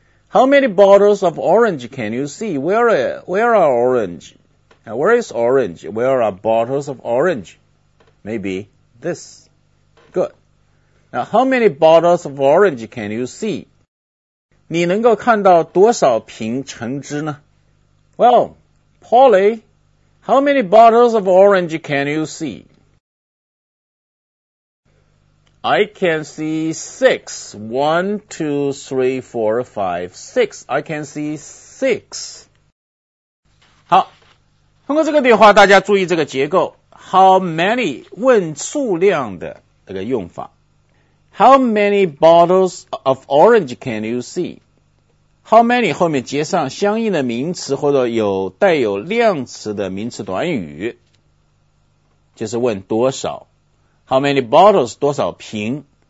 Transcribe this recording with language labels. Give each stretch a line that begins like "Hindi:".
English: How many bottles of orange can you see? Where are orange? Now, where is orange? Where are bottles of orange? Maybe this. Good. Now, how many bottles of orange can you see?
Chinese: 你能够看到多少瓶橙汁呢?
English: Well, Polly... How many bottles of orange can you see? I can see six. One, two, three, four, five, six. I can see six.
Chinese: 好，通过这个对话，大家注意这个结构。 How many 问数量的这个用法。
English: How many bottles of orange can you see?
Chinese: How many 后面接上相应的名词或者有带有量词的名词短语，就是问多少。
English: How many bottles
Chinese: 多少瓶？